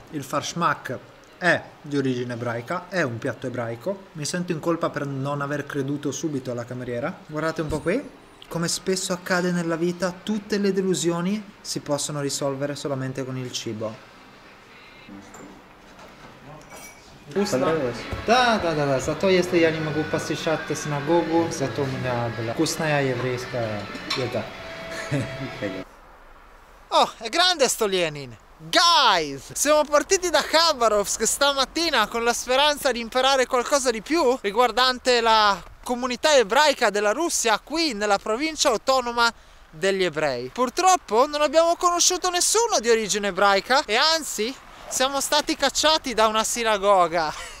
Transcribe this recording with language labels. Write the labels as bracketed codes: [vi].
[it] Il farshmak è di origine ebraica, è un piatto ebraico. Mi sento in colpa per non aver creduto subito alla cameriera. Guardate un po' qui. Come spesso accade nella vita, tutte le delusioni si possono risolvere solamente con il cibo. [ru] Да, да, да. Зато если я не могу посещать синагогу, зато у меня была вкусная еврейская еда. [it] О, è grande sto Lenin! Guys, siamo partiti da Khabarovsk stamattina con la speranza di imparare qualcosa di più riguardante la comunità ebraica della Russia qui nella provincia autonoma degli ebrei. Purtroppo non abbiamo conosciuto nessuno di origine ebraica e anzi siamo stati cacciati da una sinagoga.